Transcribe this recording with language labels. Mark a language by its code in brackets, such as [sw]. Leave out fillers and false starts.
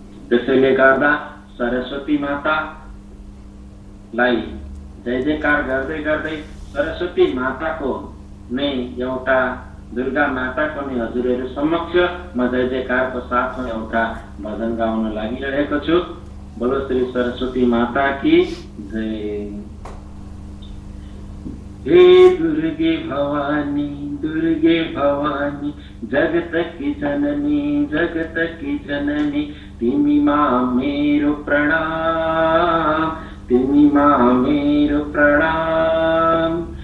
[ne] त्यसैले गर्दा सरस्वती मातालाई जय जयकार गर्दै गर्दै सरस्वती माताको नै एउटा दुर्गा माताको नै हजुरहरू समक्ष म जय जयकारको साथमा एउटा भजन गाउन लागिरहेको छु। [hi] बोलो श्री सरस्वती माता की जय। हे दुर्गे भवानी, दुर्गे भवानी, जगत की जननी, जगत की जननी, [ne] तिमी माँ मेरो प्रणाम, [hi] तिमी माँ मेरो प्रणाम,